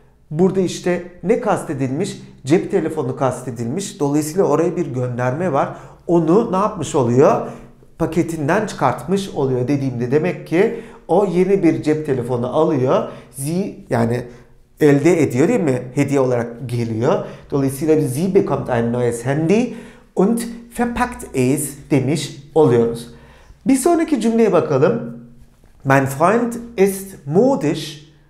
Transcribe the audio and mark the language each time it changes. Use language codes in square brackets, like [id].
[tr] Burada işte ne kastedilmiş? Cep telefonu kastedilmiş. Dolayısıyla oraya bir gönderme var. Onu ne yapmış oluyor? Paketinden çıkartmış oluyor dediğimde demek ki o yeni bir cep telefonu alıyor. Yani elde ediyor değil mi? Hediye olarak geliyor. Dolayısıyla [de] sie bekommt ein neues Handy und verpackt es [tr] demiş oluyoruz. Bir sonraki cümleye bakalım. [de] Mein Freund ist modisch.